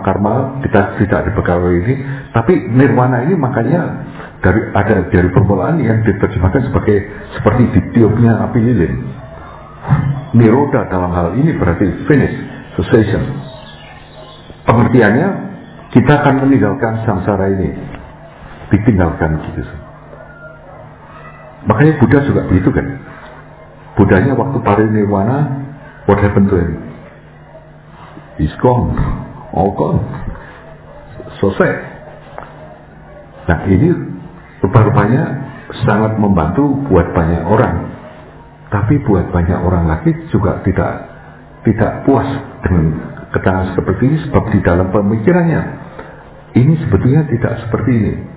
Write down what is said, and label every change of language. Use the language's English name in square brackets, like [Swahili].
[Indonesian] karma kita tidak dibekali ini, tapi nirwana ini makanya dari ada dari permulaan yang diterjemahkan sebagai seperti ditiupnya api lilin. Niroda dalam hal ini berarti finish, cessation. Pengertiannya kita akan meninggalkan samsara ini, ditinggalkan gitu. Makanya Buddha juga begitu kan. Buddhanya waktu parinirwana, [English] what happened to him? He's gone, all gone, [Indonesian] selesai. Nah ini rupa-rupanya sangat membantu buat banyak orang, tapi buat banyak orang lagi juga tidak puas dengan keterangan seperti ini, sebab di dalam pemikirannya ini sebetulnya tidak seperti ini.